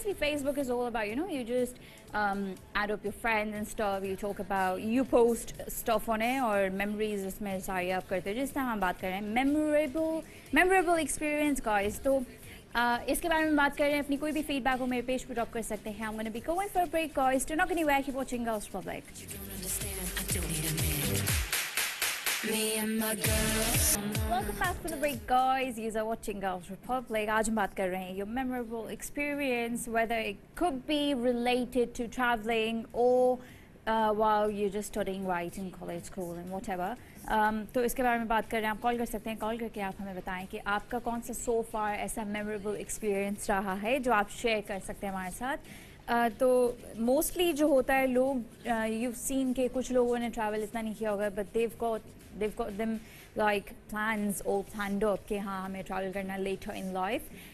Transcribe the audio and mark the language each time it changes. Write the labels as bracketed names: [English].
[English] obviously Facebook is all about you know you just add up your friends and stuff, you talk about, you post stuff on it, [Hindi] और memories उसमें सारी आप करते हैं. जिस तरह हम बात कर रहे हैं मेमोरेबल एक्सपीरियंस गाइस, तो इसके बारे में बात कर रहे हैं. अपनी कोई भी फीडबैक हो मेरे पेज पर ड्रॉप कर सकते हैं. [English] I am gonna be going for a break guys, do not anywhere, keep watching Girls Republic. Welcome back to the break, guys. You are watching Girls Republic. [Hindi] आज हम बात कर रहे हैं [English] your memorable experience, whether it could be related to traveling or while you're just studying right in college, school and whatever. [Hindi] तो इसके बारे में बात कर रहे हैं. आप कॉल कर सकते हैं, कॉल करके आप हमें बताएं कि आपका कौन सा [English] so far [Hindi] ऐसा memorable experience रहा है जो आप share कर सकते हैं हमारे साथ. तो मोस्टली जो होता है लोग यू सीन के कुछ लोगों ने ट्रैवल इतना नहीं किया होगा, [English] but they've got them like plans all planned up [Hindi] कि हाँ हमें ट्रैवल करना है [English] Later in life.